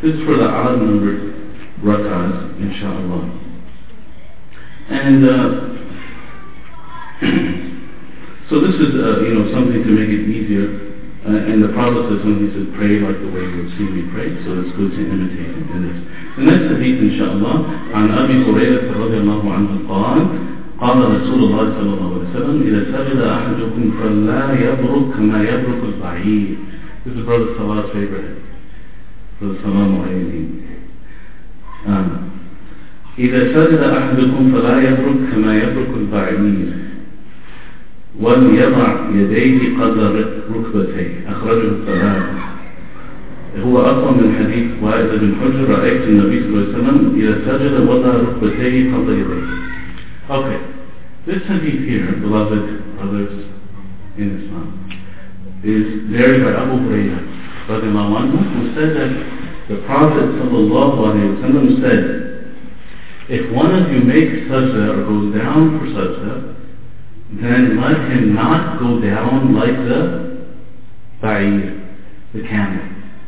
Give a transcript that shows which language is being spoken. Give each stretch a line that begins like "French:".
English: This is for the odd numbered rak'ahs, inshallah. And so this is something to make it easier. And the Prophet says, when he said, pray like the way you would see me pray, so it's good to imitate him in this. The next hadith,
Arabic: inshaAllah, عن أبي هريرة رضي الله عنه قال قال رسول الله صلى الله عليه وسلم إذا سجد أحدكم فلا يبرك كما يبرك البعير.
English: This is Brother Salah's favorite hadith. Brother Salah Mu'ayyadeen.
Arabic: إذا سجد أحدكم فلا يبرك كما يبرك البعير. وليضع يديه قدر ركبتيه أخرجه الطبراني. هو أصل من حديث وائل بن حجر رأيت النبي صلى الله عليه وسلم إذا سجد وضع ركبتيه قدر يديه.
English: Okay, this hadith here, beloved brothers in Islam, is narrated by Abu Huraira
Arabic: رضي الله عنه,
English: who said that the Prophet
Arabic: صلى الله عليه وسلم
English: said, if one of you makes sajda or goes down for sajda, then let him not go down like the ba'ir, the camel.